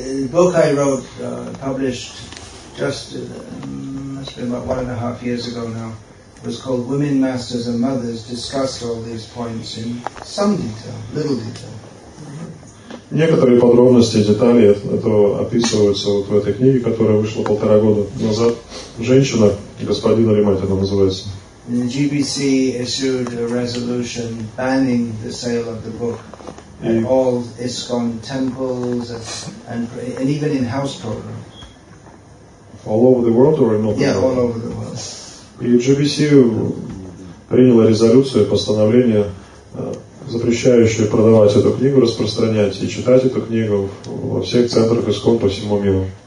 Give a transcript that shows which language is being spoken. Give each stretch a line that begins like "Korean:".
English: Book I wrote, published just must have been about 1.5 years ago now, was called Women Masters and Mothers, discussed all these points in some detail, little detail.
Russian: Некоторые подробности, детали этого описываются вот в этой книге, которая вышла 1.5 года назад. Женщина, господин Римат, она называется.
English: GBC issued a resolution banning the sale of the book in all ISKCON temples and even in house programs. All over the world or in North America? Yeah, all over the world.
Russian: И GBC приняла резолюцию, постановление, запрещающее продавать эту книгу, распространять и читать эту книгу во всех центрах ИСКОН по всему миру.